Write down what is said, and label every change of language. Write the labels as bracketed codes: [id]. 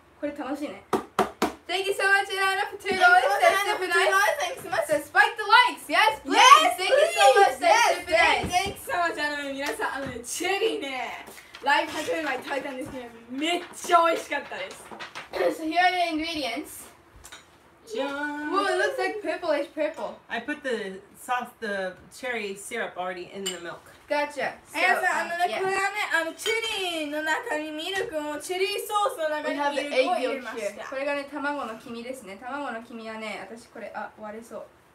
[ja] これ楽しいね。 [en] Thank you so much, Anna, for $2. That's super nice. Thanks so much. So spike the likes. Yes, please. Yes, thank you so much. That's super nice. Thanks so much, Anna. [ja] 皆さん、チェリーね、ライブ始める前に食べたんですけど、めっちゃ美味しかったです。 [en] So here are the ingredients. Whoa, it looks like purplish purple. I put the sauce, the cherry syrup already in the milk. Gotcha. [ja] これはね、チェリーの中にミルクをチェリーソースの中にミルクを入れました。これがね、卵の黄身ですね。卵の黄身はね、私これ、割れそう。